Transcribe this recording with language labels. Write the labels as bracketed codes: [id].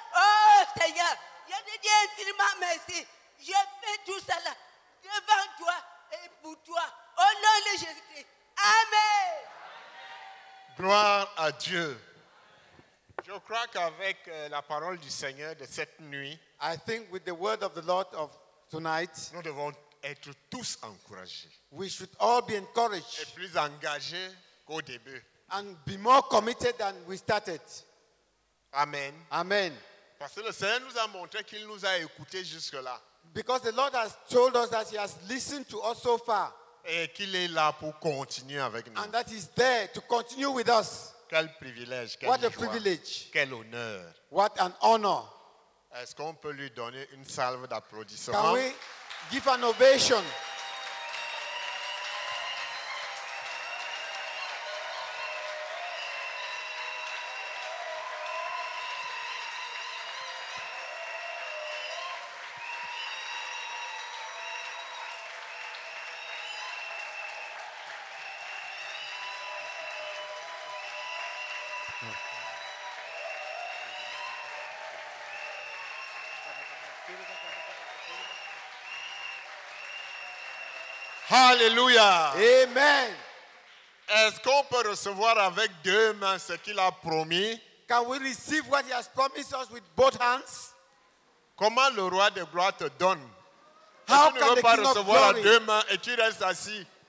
[fr] Oh Seigneur, je te dis infiniment merci. Je fais tout cela devant toi et pour toi. Au nom de Jésus-Christ. Amen. Gloire à Dieu. Je Je crois qu'avec la parole du Seigneur de cette nuit, [en] I think with the word of the Lord of tonight, [fr] nous devons être tous encouragés. [en] We should all be encouraged. [fr] Et plus engagés qu'au début. [en] And be more committed than we started. Amen. Amen. [fr] Parce que le Seigneur nous a montré qu'il nous a écoutés jusque-là. [en] Because the Lord has told us that he has listened to us so far. [fr] Et qu'il est là pour continuer avec nous. [en] And that he's there to continue with us. [fr] Quel privilège, quel [en] what [fr] joie, [en] a privilege. [fr] Quel honneur. [en] What an honor. [fr] Est-ce qu'on peut lui donner une salve d'applaudissements? [en] Can we give an ovation? Hallelujah. Amen. [fr] Est-ce qu'on peut recevoir avec deux mains ce qu'il a promis? [en] Can we receive what he has promised us with both hands? [fr] Comment le roi de gloire te donne? [en] How [fr] tu ne veux pas recevoir à deux mains et tu restes assis?